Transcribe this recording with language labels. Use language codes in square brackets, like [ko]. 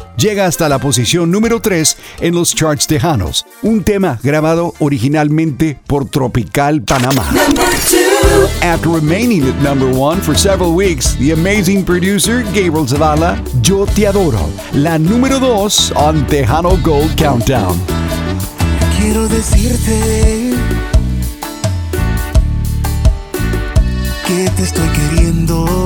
[es] Llega hasta la posición número 3 en los charts tejanos. Un tema grabado originalmente por Tropical Panamá. [en] After remaining at number 1 for several weeks, the amazing producer Gabriel Zavala, Yo Te Adoro. [es] La número 2 on Tejano Gold Countdown. Quiero decirte que te estoy queriendo.